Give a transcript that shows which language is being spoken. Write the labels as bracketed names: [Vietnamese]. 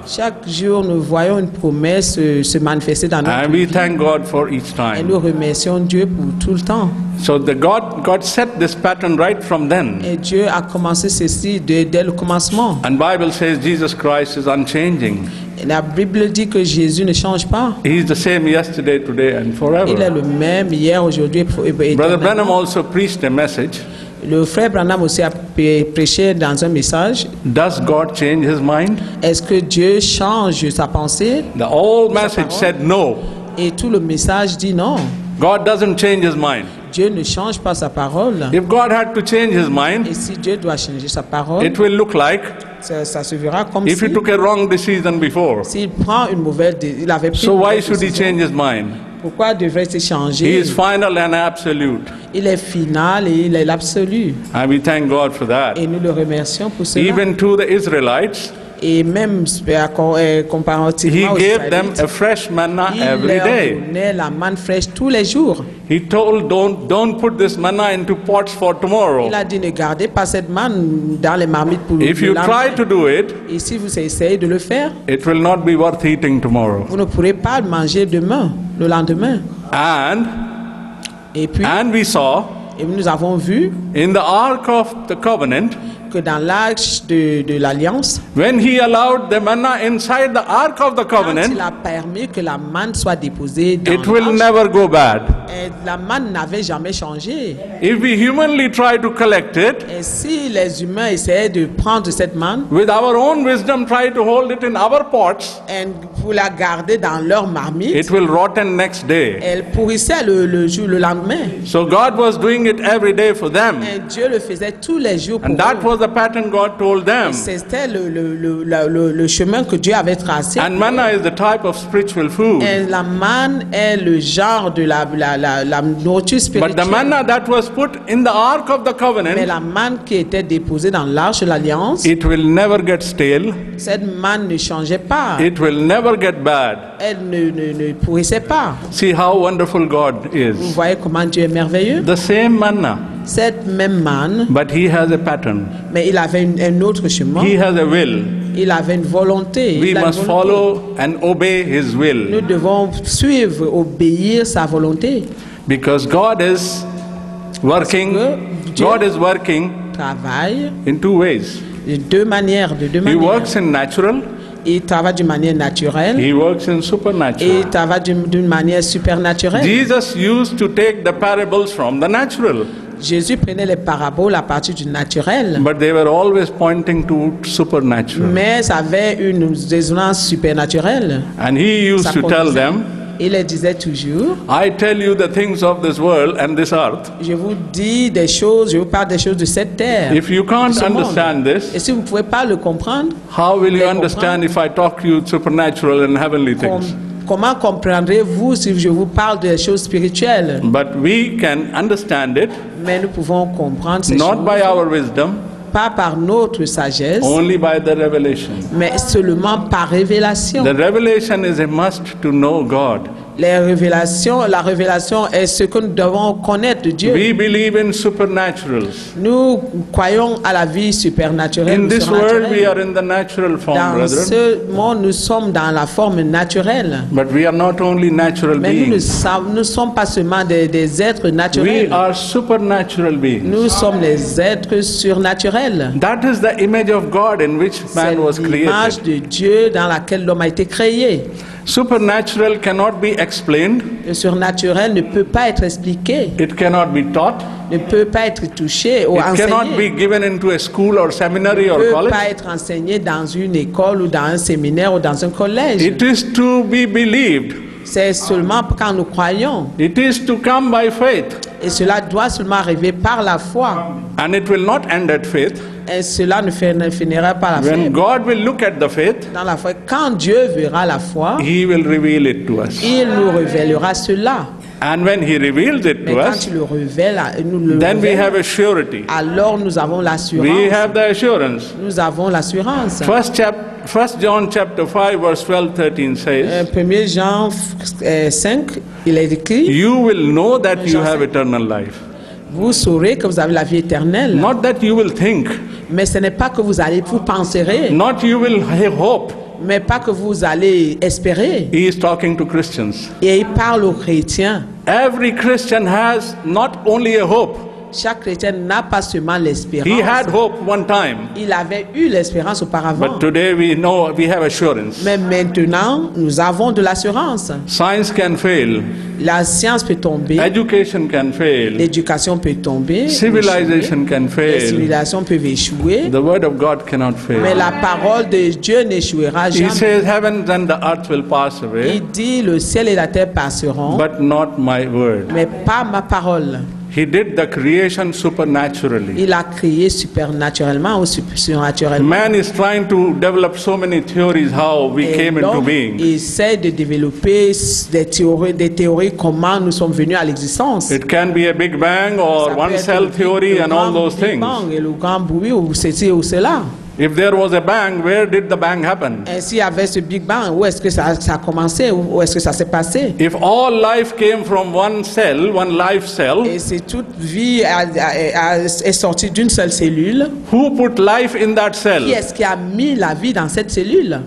[French] Chaque jour, nous voyons une promesse se manifester dans notre vie. [English] And we thank God for each time. [French] Et nous remercions Dieu pour tout le temps. [English] So the God set this pattern right from then. [French] Et Dieu a commencé ceci dès le commencement. [English] And Bible says Jesus Christ is unchanging. [French] La Bible dit que Jésus ne change pas. [English] He is the same yesterday, today, and forever. [French] Il est le même hier, aujourd'hui et éternellement. [English] Brother Branham also preached a message. [French] Le frère Branham aussi a prêché dans un message. [English] Does God change his mind? [French] Est-ce que Dieu change sa pensée? [English] The whole message said no. [French] Et tout le message dit non. [English] God doesn't change his mind. [French] Dieu ne change pas sa parole. [English] If God had to change his mind, [French] et si Dieu doit changer sa parole, [English] it will look like. [French] Ça se verra comme [English] if he took a wrong decision before, [French] s'il prend une mauvaise il avait pris [English] so why [French] une [English] should [French] décision, [English] he change his mind? [French] Pourquoi devrait-il changer? [English] He is final and absolute. [French] Il est final et il est l'absolu. [English] And we thank God for that. [French] Et nous le remercions pour cela. [English] Even to the Israelites, [French] et même comparativement aux [English] gave them a fresh manna every day. [French] Il leur donnait la manne fraîche tous les jours. [English] He told, don't put this manna into pots for tomorrow. [French] Il a dit ne gardez pas cette manne dans les marmites pour [English] if you try to do it, [French] et si vous essayez de le faire, [English] it will not be worth eating tomorrow. [French] Vous ne pourrez pas manger demain, le lendemain. [English] And [French] et puis, [English] and we saw, [French] et nous avons vu, [English] in the ark of the covenant, [French] que dans l'arche de l'alliance, [English] when he allowed the manna inside the ark of the covenant, [French] quand il a permis que la manne soit déposée dans [English] it will never go bad. [French] Et la manne n'avait jamais changé. [English] If we humanly try to collect it, [French] et si les humains essayaient de prendre cette manne, [English] with our own wisdom try to hold it in our pots, [French] et pour la garder dans leur marmite, [English] it will rotten next day. [French] Elle pourrissait le jour le lendemain. [English] So God was doing it every day for them. [French] Et Dieu le faisait tous les jours pour [English] and [French] eux. [English] That was the pattern God told them. [French] Et c'était le chemin que Dieu avait tracé. [English] And manna is the type of spiritual food. [French] Et la manne est le genre de la nourriture spirituelle. [English] But the manna that was put in the ark of the covenant, [French] mais la manne qui était déposée dans l'arche de l'alliance, [English] it will never get stale. [French] Cette manne ne changeait pas. [English] It will never get bad. [French] Elle ne pourrissait pas. [English] See how wonderful God is. [French] Vous voyez comment Dieu est merveilleux. [English] The same manna. [French] Cette même manne. [English] But he has a pattern. [French] Mais il avait un autre chemin. [English] He has a will. [French] Il avait une volonté. [English] We must [French] volonté. [English] Follow and obey his will. [French] Nous devons suivre, obéir sa volonté. [English] Because God is working. God is working. [French] Travaille. [English] In two ways. [French] De deux manières. [English] He works in natural. [French] Il travaille d'une manière naturelle. [English] He works in supernatural. [French] Et il travaille d'une manière surnaturelle. [English] Jesus used to take the parables from the natural. [French] Jésus prenait les paraboles à partir du naturel. [English] But they were always pointing to supernatural. [French] Mais ça avait une résonance surnaturelle. [English] And he used to tell them. [French] Il le disait toujours. [English] I tell you the things of this world and this earth. [French] Je vous dis des choses, je vous parle des choses de cette terre. [English] If you can't understand this, [French] et si vous ne pouvez pas le comprendre, [English] how will you understand if I talk to you supernatural and heavenly things? [French] Comment comprendrez-vous si je vous parle des choses spirituelles? [English] But we can understand it. [French] Mais nous pouvons comprendre ces choses. [English] Not by our wisdom. [French] Pas par notre sagesse, [English] only by the revelation. [French] Mais seulement par révélation. [English] The revelation is a must to know God. [French] La révélation est ce que nous devons connaître de Dieu. [English] We believe in supernaturals. [French] Nous croyons à la vie surnaturelle. [English] In this world, we are in the natural form, [French] dans [English] brethren. [French] Ce monde, nous sommes dans la forme naturelle. [English] But we are not only natural [French] mais [English] beings. [French] Nous ne sommes pas seulement des êtres naturels. [English] We are supernatural beings. [French] Nous sommes les êtres surnaturels. [English] That is the image of God in which man was created. [French] C'est l'image de Dieu dans laquelle l'homme a été créé. [English] Supernatural cannot be explained. [French] Le surnaturel ne peut pas être expliqué. [English] It cannot be taught. [French] Ne peut pas être touché ou [English] it [French] enseigné. [English] Cannot be given into a school or seminary [French] ne [English] or college. [French] Ne peut pas être enseigné dans une école ou dans un séminaire ou dans un collège. [English] It is to be believed. [French] C'est seulement quand nous croyons. [English] It is to come by faith. [French] Et cela doit seulement arriver par la foi. [English] And it will not end at faith. [French] Et cela ne finira pas la foi. [English] When God will look at the faith, [French] dans la foi, quand Dieu verra la foi, [English] he will reveal it to us. [French] Il nous révélera cela. [English] And when he reveals it to [French] quand [English] us, [French] il le révèle, nous le [English] then [French] révèle, [English] we have a surety. [French] Alors nous avons l'assurance. [English] We have the assurance. [French] Nous avons l'assurance. [English] First John chapter 5 verse 12-13 says. [French] 1 Jean 5, il est écrit. [English] You will know that you have eternal life. [French] Vous saurez que vous avez la vie éternelle. [English] Not that you will think. [French] Mais ce n'est pas que vous allez vous penserez. [English] Not you will hope. [French] Mais pas que vous allez espérer. [English] He is talking to Christians. [French] Et il parle aux chrétiens. [English] Every Christian has not only a hope. [French] Chaque chrétien n'a pas seulement l'espérance. [English] He had hope one time. [French] Il avait eu l'espérance auparavant. [English] But today we know we have assurance. [French] Mais maintenant, nous avons de l'assurance. [English] Science can fail. [French] La science peut tomber. [English] Education can fail. [French] L'éducation peut tomber. [English] Civilization can fail. [French] Les civilisations peuvent échouer. [English] The word of God cannot fail. [French] Mais la parole de Dieu n'échouera jamais. [English] He says, heaven and the earth will pass away. [French] Il dit, le ciel et la terre passeront. [English] But not my word. [French] Mais pas ma parole. [English] He did the creation supernaturally. [French] Il a créé supernaturellement ou surnaturellement. [English] Man is trying to develop so many theories how we [French] et [English] came [French] donc, [English] into being. [French] Il essaie de développer des théories comment nous sommes venus à l'existence. [English] It can be a big bang or one cell theory and all those things. [French] Big bang et le grand bruit ou ceci ou cela. [English] If there was a bang, where did the bang happen? [French] Et s'il y avait ce big bang, où est-ce que ça a commencé? Où est-ce que ça s'est passé? [English] If all life came from one cell, one life cell. [French] Et si toute vie est sortie d'une seule cellule. [English] Who put life in that cell? [French] Qui est-ce qui a mis la vie dans cette cellule?